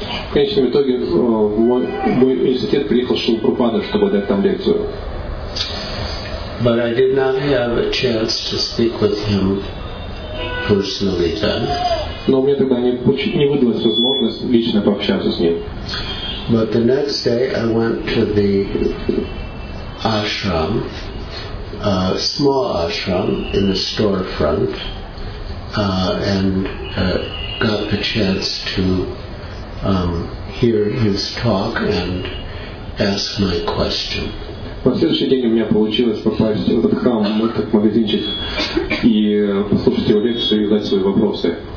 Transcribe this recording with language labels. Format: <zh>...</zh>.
<ru>В конечном итоге мой университет приехал Шрила Прабхупада, чтобы дать там лекцию.</ru> <en>But I did not have a chance to speak with him personally then.</en> <ru>Но у меня тогда не выдалась возможность лично пообщаться с ним.</ru> <en>But the next day I went to the ashram, a small ashram in the storefront, and got the chance to hear his talk and ask my question.</en> <ru>На следующий день у меня получилось попасть в этот храм, в этот магазинчик, и послушать его лекцию и задать свои вопросы.</ru>